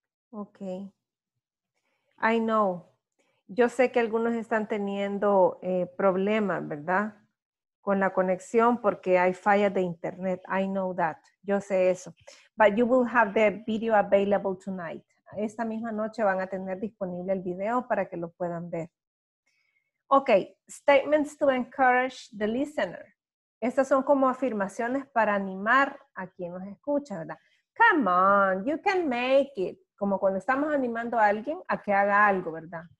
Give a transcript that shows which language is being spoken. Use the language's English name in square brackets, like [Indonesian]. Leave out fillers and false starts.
[English] Ok. I know. [Spanish] Yo sé que algunos están teniendo problemas, ¿verdad? Con la conexión porque hay fallas de internet. [English] I know that. [Spanish] Yo sé eso. [English] But you will have the video available tonight. [Spanish] Esta misma noche van a tener disponible el video para que lo puedan ver. [English] Ok, statements to encourage the listener. [Spanish] Estas son como afirmaciones para animar a quien nos escucha, ¿verdad? [English] Come on, you can make it. [Spanish] Como cuando estamos animando a alguien a que haga algo, ¿verdad?